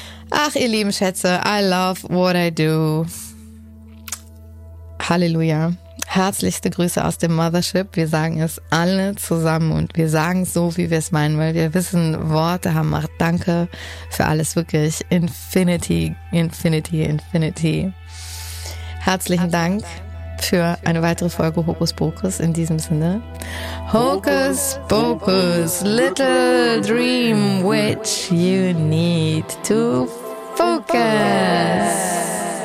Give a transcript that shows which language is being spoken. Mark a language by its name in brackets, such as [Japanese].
[German] Ach, ihr lieben Schätze, [English] I love what I do. Halleluja. [German] Herzlichste Grüße aus dem Mothership. Wir sagen es alle zusammen und wir sagen es so, wie wir es meinen, weil wir wissen, Worte haben Macht. Danke für alles, wirklich. [English] Infinity, Infinity, Infinity. [German] Herzlichen Dank für eine weitere Folge Hokus Pokus in diesem Sinne. [English] Hokus Pokus, little dream which you need to focus.